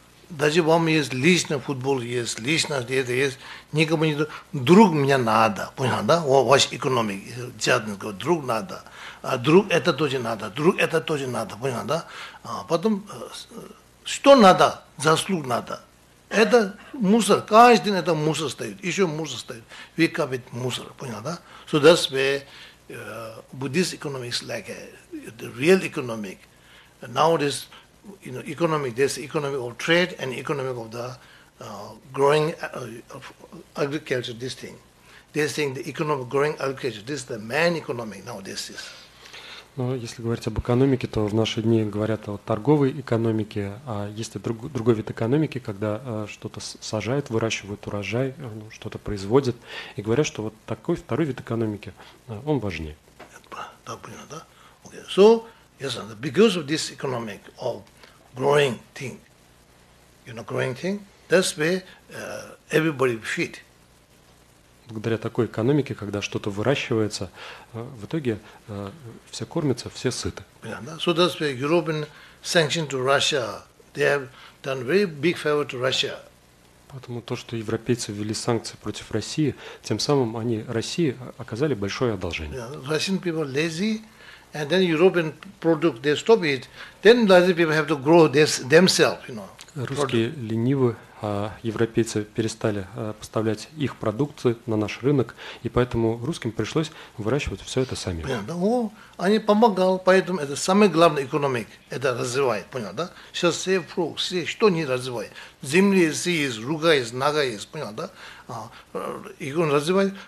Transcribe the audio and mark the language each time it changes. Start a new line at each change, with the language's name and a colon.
Russian: Даже вам есть лично футбол, есть лично где-то есть, никому не друг, друг мне надо, понятно, да, ваш экономик, жадность, говорю, друг надо. А друг это тоже надо, друг это тоже надо, понял, да? А потом, что надо, заслуг надо. Это мусор, каждый день это мусор стоит, еще мусор стоит. Вы копите мусор, понял, да?
English: So that's where Buddhist economy is like the real economic. Nowadays, you know, economic, there's economic of trade and economic of the growing of agriculture, this thing. They're saying the economic growing agriculture, this is the man economic nowadays is.
Russian: Но если говорить об экономике, то в наши дни говорят о торговой экономике, а есть и другой вид экономики, когда что-то сажают, выращивают урожай, что-то производят, и говорят, что вот такой второй вид экономики, он важнее. Да, понятно, да? Okay.
English: So, yes, because of this economic of growing thing, you know, growing thing, that's where everybody fit.
Russian: Благодаря такой экономике, когда что-то выращивается, в итоге все кормятся, все сыты. Понятно, да?
English: So that's why European sanction to Russia, they have done very big favor to Russia.
Russian: Поэтому то, что европейцы ввели санкции против России, тем самым они России оказали большое одолжение.
English: Yeah, Russian people lazy And then European product, they stop it. Then lazy people have to grow this themselves, you know.
Russian: Русские ленивы, а европейцы перестали поставлять их продукцию на наш рынок, и поэтому русским пришлось выращивать все это сами. Ну, они помогали, поэтому это самый главный экономик, это развивает, понял, да? Сейчас все фрукты, все, что не развивает. Земли все есть, рука есть, нога есть, понял, да? Экономика развивает.